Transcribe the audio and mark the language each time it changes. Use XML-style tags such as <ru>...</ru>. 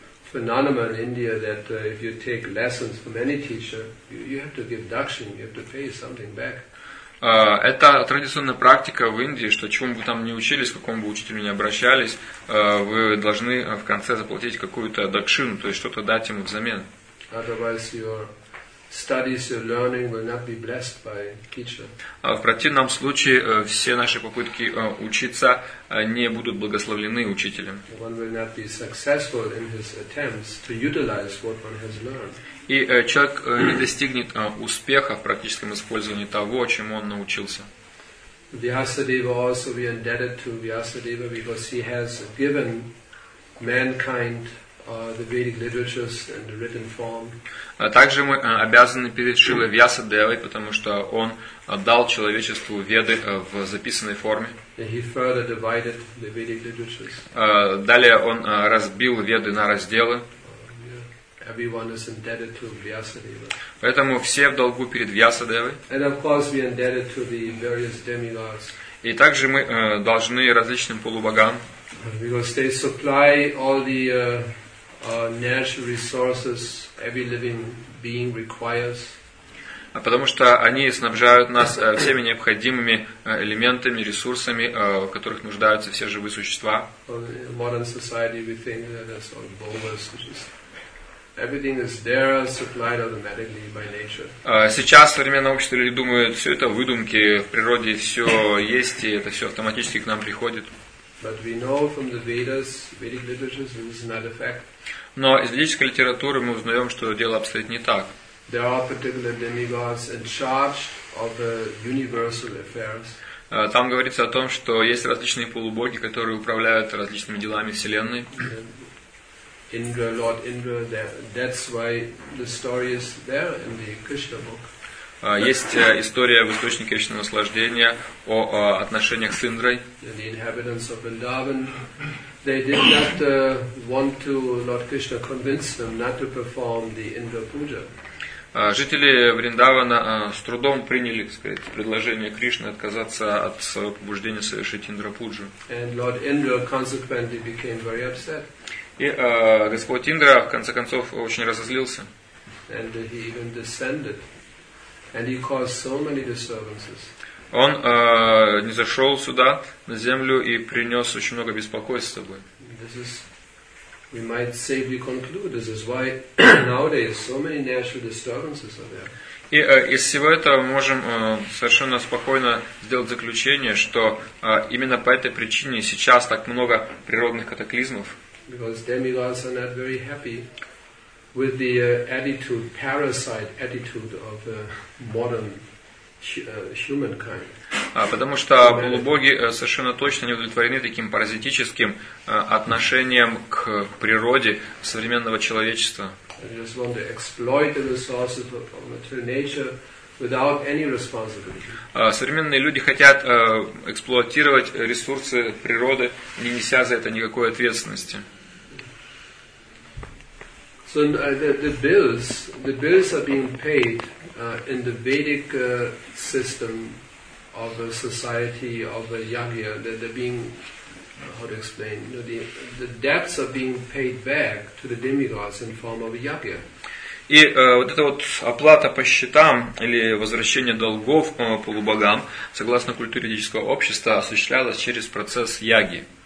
<en>Phenomenon in India that if you take lessons from any teacher, you have to give dakshin, you have to pay something back.</en> <ru>Это традиционная практика в Индии, что чему бы там ни учились, к какому бы учителю ни обращались, вы должны в конце заплатить какую-то дакшину, то есть что-то дать ему взамен.</ru> <en>Otherwise your studies, your learning will not be blessed by teacher.</en> <ru>В противном случае все наши попытки учиться не будут благословлены учителем.</ru> <en>One will not be successful in his attempts to utilize what one has learned.</en> <ru>И человек не достигнет успеха в практическом использовании того, чему он научился.</ru> <en>Vyasadeva also we indebted to Vyasadeva because he has given mankind the Vedic literatures in the written form.</en> <ru>Также мы обязаны перед Шрилой Вьясадевой, потому что он дал человечеству веды в записанной форме.</ru> <en>He further divided the Vedic literatures.</en> <ru>Далее он разбил веды на разделы.</ru> <en>Everyone is indebted to Vyasadeva.</en> <ru>Поэтому все в долгу перед Вьясадевой.</ru> <en>And of course we are indebted to the various demigods.</en> <ru>И также мы должны различным полубогам.</ru> <en>Because they supply all the natural resources every living being requires.</en> <ru>Потому что они снабжают нас всеми необходимыми элементами, ресурсами, в которых нуждаются все живые существа.</ru> <en>In modern society we think that it's all bogus, which is everything is there, supplied automatically by nature.</en> <ru>Сейчас современное общество люди думают, все это выдумки, в природе все есть и это все автоматически к нам приходит.</ru> <en>But we know from the Vedas, Vedic literatures, this is not a fact.</en> <ru>Но из ведической литературы мы узнаем, что дело обстоит не так.</ru> <en>There are particular demigods in charge of the universal affairs.</en> <ru>Там говорится о том, что есть различные полубоги, которые управляют различными делами Вселенной.</ru> <en>Indra, Lord Indra, that's why the story is there in the Krishna book.</en> <ru>Есть история в источнике вечного наслаждения о отношениях с Индрой.</ru> <en>The inhabitants of Vrindavan, they did not want to Lord Krishna convince them not to perform the Indra puja.</en> <ru>Жители Вриндавана с трудом приняли, так сказать, предложение Кришны отказаться от своего побуждения совершить Индра пуджу.</ru> <en>And Lord Indra consequently became very upset.</en> <ru>И Господь Индра в конце концов очень разозлился.</ru> <en>And he even descended. And he caused so many disturbances.</en> <ru>Он не зашел сюда на землю и принес очень много беспокойств с собой.</ru> <en>This is, we might safely conclude, this is why nowadays so many natural disturbances are there.</en> <ru>И из всего этого мы можем совершенно спокойно сделать заключение, что именно по этой причине сейчас так много природных катаклизмов.</ru> <en>Because demigods are not very happy with the attitude, parasite attitude of modern humankind.</en> <ru>Потому что полубоги совершенно точно не удовлетворены таким паразитическим отношением к природе современного человечества.</ru> <en>They just want to exploit the resources of material nature without any responsibility.</en> <ru>Современные люди хотят эксплуатировать ресурсы природы, не неся за это никакой ответственности.</ru> <en>So the bills are being paid in the Vedic system of a society of a yagya. They're being how to explain, you know, the debts are being paid back to the demigods in form of a yagya.</en> <ru>И вот эта вот оплата по счетам или возвращение долгов полубогам, согласно культуре ведического общества, осуществлялась через процесс яги.</ru>